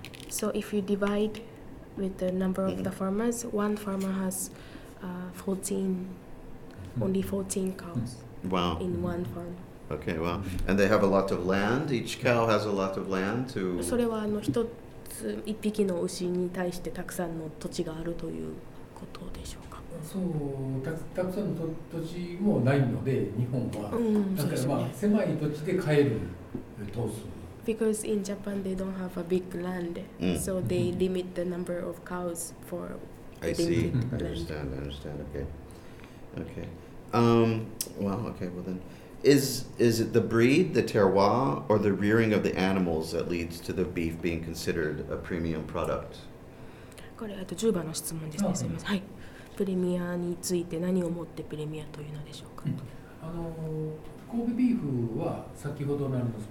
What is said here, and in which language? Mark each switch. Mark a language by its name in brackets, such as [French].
[English] So if you divide with the number of the farmers, one farmer has 14, only 14 cows. Wow. In one farm. Okay, well, and they have a lot of land. Each cow has a lot of land to. [Japanese] それはあの一匹の牛に対してたくさんの土地があるということでしょうか。そう、たくさんの土地もないので、日本は、だからまあ狭い土地で飼える頭数。 [English] Because in Japan they don't have a big land, so they limit the number of cows for. I see. I understand. Okay. Okay. Well. Okay. Well then. Is it the breed, the terroir, or the rearing of the animals that leads to the beef being considered a premium product? [Japanese] これあと10番の質問ですね。すみません。はい。プレミアについて何をもってプレミアというのでしょうか。あの、神戸ビーフは先ほどのあるんです。